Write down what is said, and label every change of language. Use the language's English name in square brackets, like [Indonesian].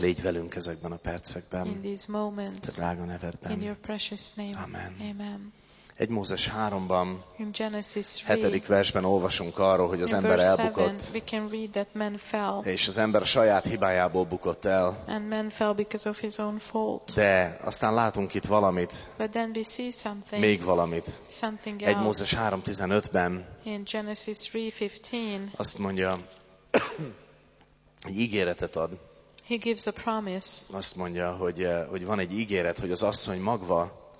[Hungarian] légy velünk ezekben a percekben, [English] in these moments, [Hungarian] te drága nevedben. [English] In your precious name. [Hungarian] Amen. [English] Amen. [Hungarian] Egy Mózes 3-ban, [English] in Genesis 3, [Hungarian] 7. versben olvasunk arról, hogy az ember elbukott, [English] we can read that man fell, [Hungarian] és az ember saját hibájából bukott el, [English] and man fell because of his own fault. [Hungarian] De aztán látunk itt valamit, [English] but then we see something, [Hungarian] még valamit. [English] Something [Hungarian] else. Egy Mózes 3.15-ben [English] in Genesis 3.15, [Hungarian] azt mondja, egy ígéretet ad. [English] He gives a promise. [Hungarian] Azt mondja, hogy van egy ígéret, hogy az asszony magva